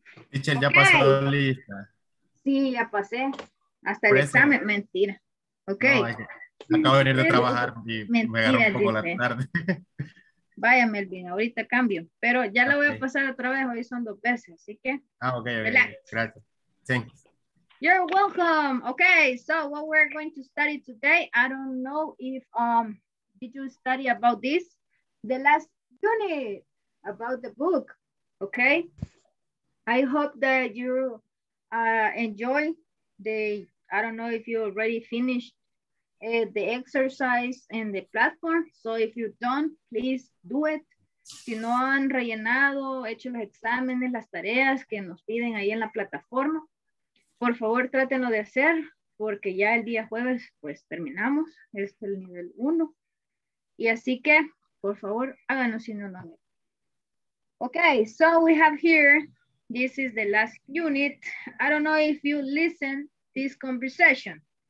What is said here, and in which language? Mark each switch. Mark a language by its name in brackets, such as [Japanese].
[Spanish] Michelle, ya pasó la lista. Sí, ya pasé. Hasta el examen, mentira. Ok. No, acabo de venir de trabajar y mentira, me agarro un poco la tarde. Vaya, Melvin, ahorita cambio. Pero ya la voy a pasar otra vez, hoy son dos veces, así que... Ah, ok, ok, relax. Gracias. [English] Thanks. You're welcome. Okay, so what we're going to study today, I don't know if did you study about this, the last unit about the book, okay? I hope that you enjoy the, I don't know if you already finished the exercise and the platform. So if you don't, please do it. [Spanish] Si no han rellenado, hecho los exámenes, las tareas que nos piden ahí en la plataforma, por favor, trátenlo de hacer, porque ya el día jueves, pues, terminamos. Es el nivel 1. Y así que, por favor, háganos si no lo han hecho. [English] Okay, so we have here, this is the last unit. I don't know if you listen this conversation.